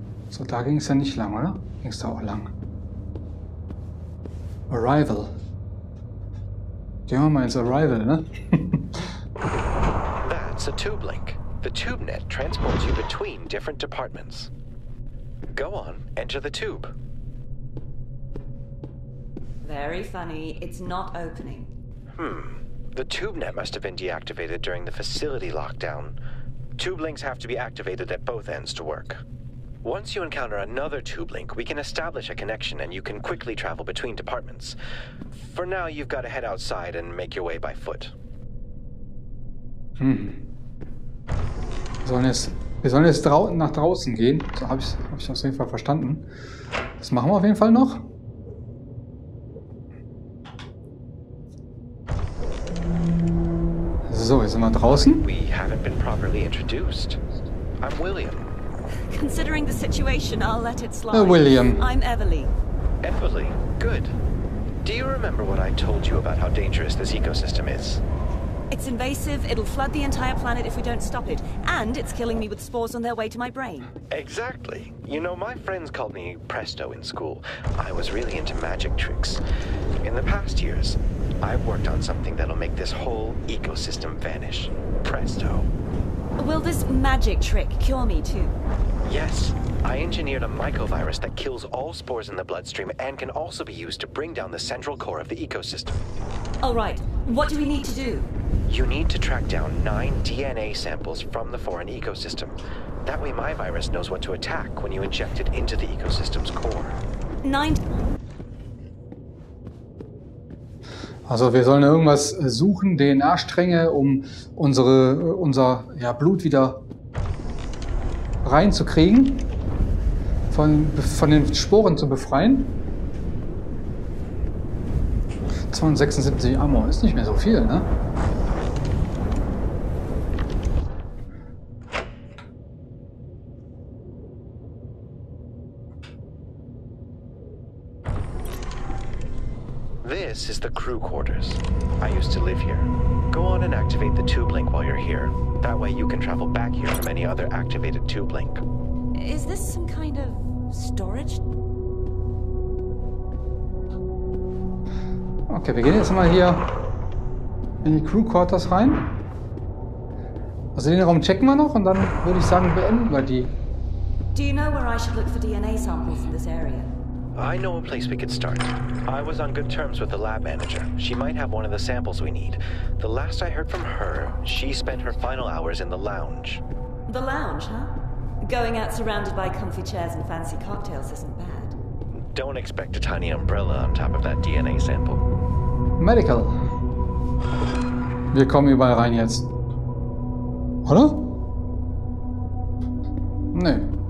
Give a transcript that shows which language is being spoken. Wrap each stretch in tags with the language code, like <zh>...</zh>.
<de>So, da ging es ja nicht lang, oder? Ging es da auch lang? Arrival. Gehen wir mal ins Arrival, ne?</de> <en>That's a tube link. The tube net transports you between different departments. Go on, enter the tube. Very funny, it's not opening. The tube net must have been deactivated during the facility lockdown. Tube links have to be activated at both ends to work. Once you encounter another tube link, we can establish a connection and you can quickly travel between departments. For now, you've got to head outside and make your way by foot.</en> <de>Wir sollen jetzt nach draußen gehen. So hab ich auf jeden Fall verstanden. Das machen wir auf jeden Fall noch. So, jetzt sind wir draußen.</de> <en>We haven't been properly introduced. I'm William. Considering the situation, I'll let it slide. William. I'm Everly. Everly, good. Do you remember what I told you about how dangerous this ecosystem is? It's invasive, it'll flood the entire planet if we don't stop it. And it's killing me with spores on their way to my brain. Exactly. You know, my friends called me Presto in school. I was really into magic tricks. In the past years, I've worked on something that'll make this whole ecosystem vanish. Presto. Will this magic trick cure me too? Yes. I engineered a mycovirus that kills all spores in the bloodstream and can also be used to bring down the central core of the ecosystem. All right. What do we need to do? You need to track down 9 DNA samples from the foreign ecosystem. That way my virus knows what to attack when you inject it into the ecosystem's core. 9.</en> <de>Also wir sollen irgendwas suchen, DNA-Stränge, um unser ja, Blut wieder reinzukriegen, von den Sporen zu befreien. 276 Ammo ist nicht mehr so viel, ne?</de> <en>This is the crew quarters. I used to live here. Go on and activate the tube link while you're here. That way you can travel back here from any other activated tube link. Is this some kind of storage</en> <de>Okay, wir gehen jetzt mal hier in die Crew Quarters rein. Also den Raum checken wir noch und dann würde ich sagen, beenden wir die.</de> <en>Do you know where I should look for DNA samples in this area? I know a place we could start. I was on good terms with the lab manager. She might have one of the samples we need. The last I heard from her, she spent her final hours in the lounge. The lounge, huh? Going out surrounded by comfy chairs and fancy cocktails isn't bad. Don't expect a tiny umbrella on top of that DNA sample. Medical.</en> <de>Wir kommen überall rein jetzt. Oder? Nee.</de>